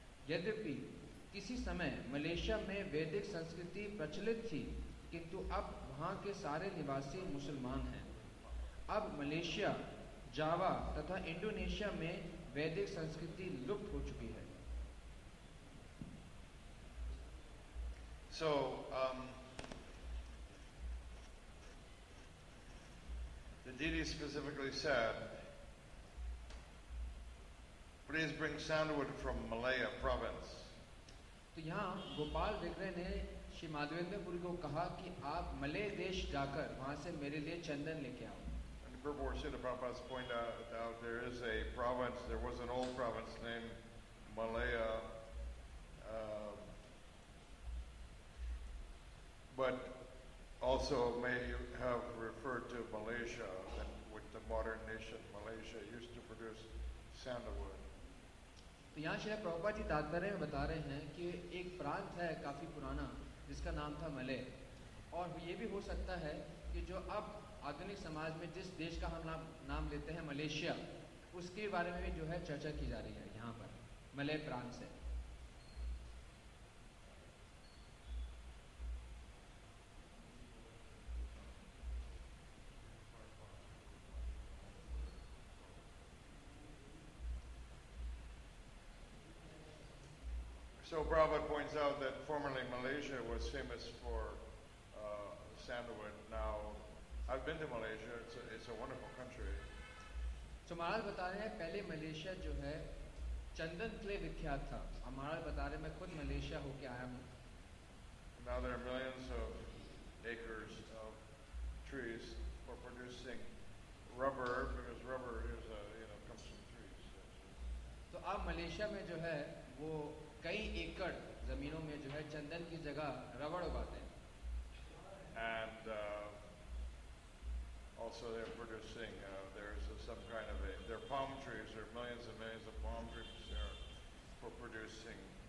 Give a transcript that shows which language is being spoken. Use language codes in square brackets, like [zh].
[hi] यद्यपि किसी समय मलेशिया में वैदिक संस्कृति प्रचलित थी किंतु अब वहां के सारे निवासी मुसलमान हैं अब मलेशिया जावा तथा इंडोनेशिया में वैदिक संस्कृति लुप्त हो चुकी है [en] So, the deity specifically said, please bring sandalwood from Malaya province. [hi] So, यहाँ गोपाल विग्रह ने श्री माधवेंद्रपुरी को कहा कि आप मले देश जाकर वहाँ से मेरे लिए चंदन लेके आओ. [en] And the Prabhupada said, Prabhupada's point out there is a province, there was an old province named Malaya. But also may have referred to Malaysia, and with the modern nation, Malaysia used to produce sandalwood. [hi] तो यहाँ श्री प्रभुपाद जी तात्पर्य में बता रहे हैं कि एक प्रांत है काफी पुराना जिसका नाम था मले और ये भी हो सकता है कि जो अब आधुनिक समाज में जिस देश का हम नाम लेते हैं मलेशिया उसके बारे में भी जो है चर्चा की जा रही है यहाँ पर मले प्रांत से [en] So Prabhupada points out that formerly Malaysia was famous for sandalwood. Now, I've been to Malaysia. It's a wonderful country. [hi] So Maharaj बता रहे हैं पहले मलेशिया जो है चंदन के लिए विख्यात था. और Maharaj बता रहे हैं मैं खुद मलेशिया होके आया हूँ. [en] Now there are millions of acres of trees for producing rubber because rubber is a comes from trees. [hi] तो आप मलेशिया में जो है वो कई एकड़ जमीनों में जो है चंदन की जगह रबड़ उगाते हैं [en] and also they're producing there's some kind of a their palm trees there are millions and millions of palm trees there for producing